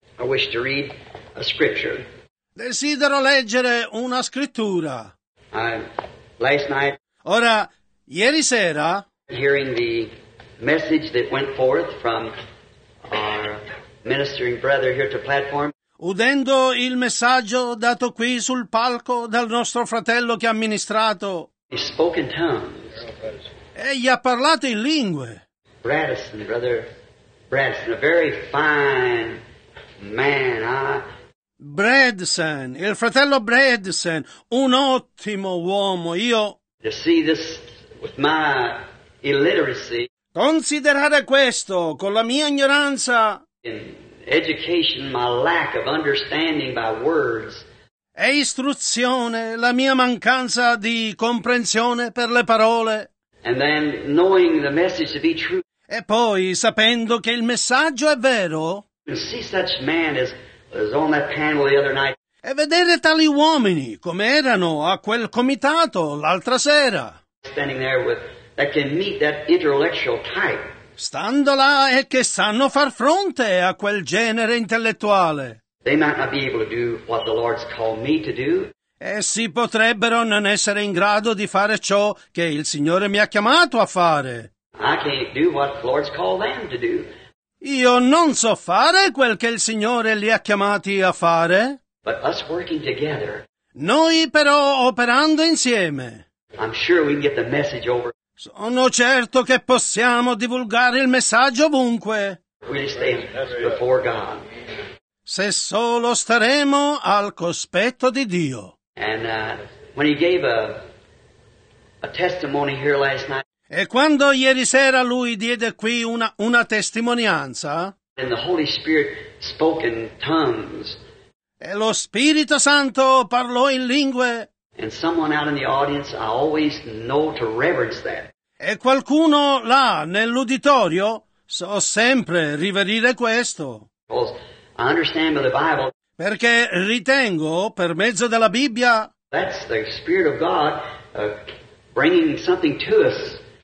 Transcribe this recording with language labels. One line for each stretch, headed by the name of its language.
English: I wish to read a scripture.
Italian: Desidero leggere una scrittura.
English: Last night,
Italian: ora, ieri sera,
English: hearing the message that went forth from our ministering brother here to platform,
Italian: udendo il messaggio dato qui sul palco dal nostro fratello che ha ministrato,
English: he spoke in tongues.
Italian: Egli ha parlato in lingue.
English: Bradison, brother Bradison, a very fine man,
Italian: Bradson, il fratello Bradson, un ottimo uomo, io.
English: To see this with my illiteracy.
Italian: Considerare questo con la mia ignoranza.
English: In education, my lack of understanding by words.
Italian: E istruzione, la mia mancanza di comprensione per le parole.
English: And then knowing the message to be true.
Italian: E poi sapendo che il messaggio è vero.
English: To see such man as. Was on that panel the other night.
Italian: E vedere tali uomini come erano a quel comitato l'altra sera.
English: Standing there with that can meet that intellectual type.
Italian: Stando là e che sanno far fronte a quel genere intellettuale.
English: They might not be able to do what the Lord's called me to do.
Italian: Essi potrebbero non essere in grado di fare ciò che il Signore mi ha chiamato a fare.
English: I can't do what the Lord's called them to do.
Italian: Io non so fare quel che il Signore li ha chiamati a fare.
English: But us working together,
Italian: noi però operando insieme.
English: I'm sure we can get the message over.
Italian: Sono certo che possiamo divulgare il messaggio ovunque.
English: We stand before God.
Italian: Se solo staremo al cospetto di Dio.
English: And when he gave a testimony here last night.
Italian: E quando ieri sera lui diede qui una testimonianza,
English: and the Holy Spirit spoke in tongues,
Italian: e lo Spirito Santo parlò in lingue,
English: and someone out in the audience, I always know to reverence that.
Italian: E qualcuno là nell'uditorio so sempre riverire questo.
English: Because I understand by the Bible,
Italian: perché ritengo per mezzo della Bibbia,
English: that's the Spirit of God bringing something to us.